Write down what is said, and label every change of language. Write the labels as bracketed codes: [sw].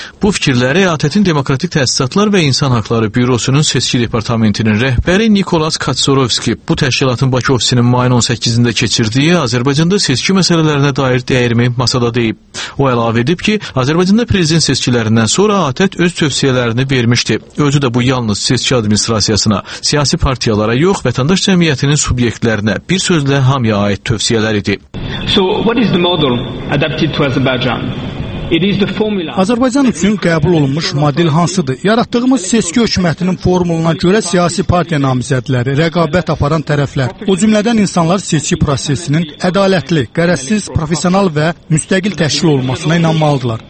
[az] Bu fikirləri ATƏT-in Demokratik Təsisatlar və İnsan Haqları Bürosunun seçki departamentinin rəhbəri Nikolas Katsorovski bu təşkilatın Bakı ofisinin mayın 18-də keçirdiyi Azərbaycanda seçki məsələlərinə dair dəyərimi masada deyib. O əlavə edib ki, Azərbaycanda prezident seçkilərindən sonra ATƏT öz tövsiyələrini vermişdi. Özü də bu yalnız seçki administrasiyası siyasi partiyalara yox, vətəndaş cəmiyyətinin subyektlərinə bir sözlə hamıya aid tövsiyələr idi. [en] So what is the model adapted to Azerbaijan? [az] Azərbaycan üçün qəbul olunmuş model hansıdır? Yaratdığımız seçki hökumətinin formuluna görə siyasi partiya namizədləri, rəqabət aparan tərəflər, o cümlədən insanlar seçki prosesinin ədalətli, qərəzsiz, professional və müstəqil təşkil olmasına inanmalıdırlar.